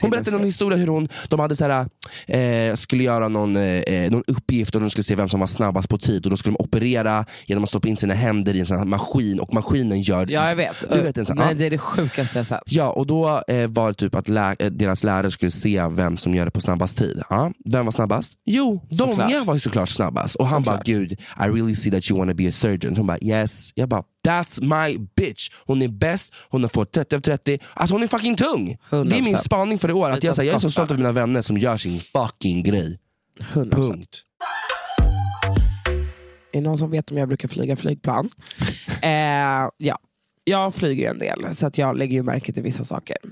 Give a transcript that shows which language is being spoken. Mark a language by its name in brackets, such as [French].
[Swedish] hon berättade någon historia hur hon, de hade så här, skulle göra någon uppgift och de skulle se vem som var snabbast på tid. Och då skulle de operera genom att stoppa in sina händer i en sån här maskin. Och maskinen gör... Ja, jag vet. Du vet en sån, nej, det är det sjukaste jag sett. Ja, och då var det typ att deras lärare skulle se vem som gör det på snabbast tid. Vem var snabbast? Jo, Donja var såklart snabbast. Och han bara, gud, [English] I really see that you want to be a surgeon. [Swedish] Hon bara, yes. Jag bara, [English] that's my bitch. [Swedish] Hon är bäst. Hon har fått 30 av 30. Alltså hon är fucking tung. 100%. Det är min spaning för i år. Att jag, säger, jag är så stolt över mina vänner som gör sin fucking grej. 100%. Punkt. Är någon som vet om jag brukar flyga flygplan? ja. Jag flyger ju en del. Så att jag lägger ju märke till vissa saker.